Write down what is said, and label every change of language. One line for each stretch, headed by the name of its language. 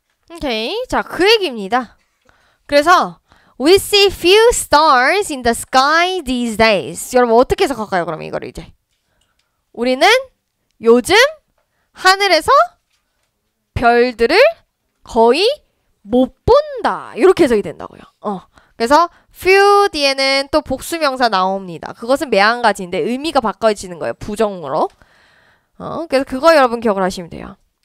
Korean: 오케이, 자, 그 얘기입니다. 그래서
English: We see few stars in the sky these days.
Korean: 여러분 어떻게 해석할까요? 그러면 이거를 이제 우리는 요즘 하늘에서 별들을 거의 못 본다. 이렇게 해석이 된다고요. 그래서 few 뒤에는 또 복수명사 나옵니다. 그것은 매한가지인데 의미가 바꿔지는 거예요. 부정으로. 그래서 그거 여러분 기억을 하시면 돼요.